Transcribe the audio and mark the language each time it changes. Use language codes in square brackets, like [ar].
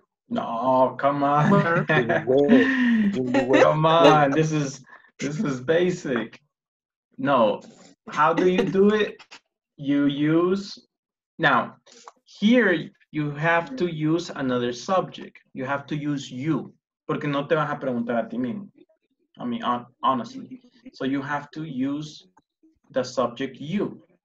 [en] No, come on. Come on, this is basic. No, how do you do it? You use, now, here you have to use another subject. You have to use you. [es] Porque no te vas a preguntar a ti mismo. [en] I mean, honestly. So you have to use the subject you.